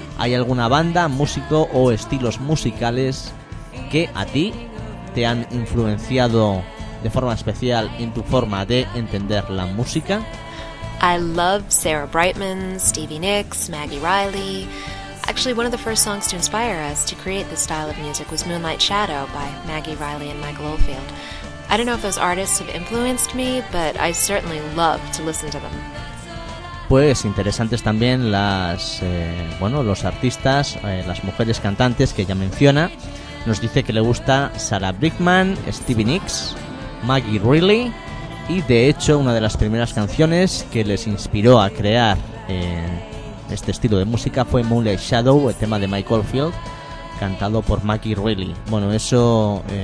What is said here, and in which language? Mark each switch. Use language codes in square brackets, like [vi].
[es] ¿Hay alguna banda, músico o estilos musicales que a ti te han influenciado de forma especial en tu forma de entender la música? [en] I love Sarah Brightman, Stevie Nicks, Maggie Riley. Actually, one of the first songs to inspire us to create this style of music was Moonlight Shadow by Maggie Riley and Michael Oldfield. I don't know if those artists have influenced me, but I certainly love to listen to them. [es] Pues interesantes también los artistas, las mujeres cantantes que ella menciona. Nos dice que le gusta Sarah Brightman, Stevie Nicks, Maggie Riley. Y de hecho, una de las primeras canciones que les inspiró a crear este estilo de música fue Moonlight Shadow, el tema de Michael Field, cantado por Maggie Riley. Bueno, eso